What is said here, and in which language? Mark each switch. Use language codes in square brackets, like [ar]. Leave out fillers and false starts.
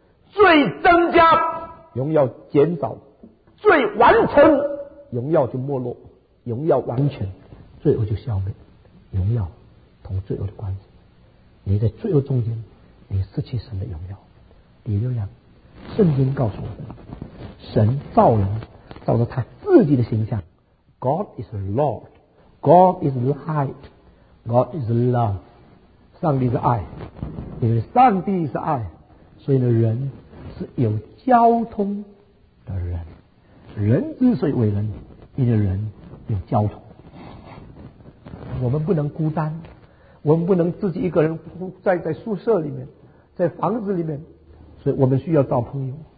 [zh] 罪增加，荣耀减少；罪完成，荣耀就没落；荣耀完全，罪恶就消灭。荣耀同罪恶的关系，你在罪恶中间，你失去神的荣耀。第六样，圣经告诉我们，神造人照着他自己的形象。 [en] God is the Lord, God is light, God is love。 [zh] 上帝是爱，因为上帝是爱，所以呢，人是有交通的人。人之所以为人，因为人有交通。我们不能孤单，我们不能自己一个人在宿舍里面，在房子里面，所以我们需要找朋友。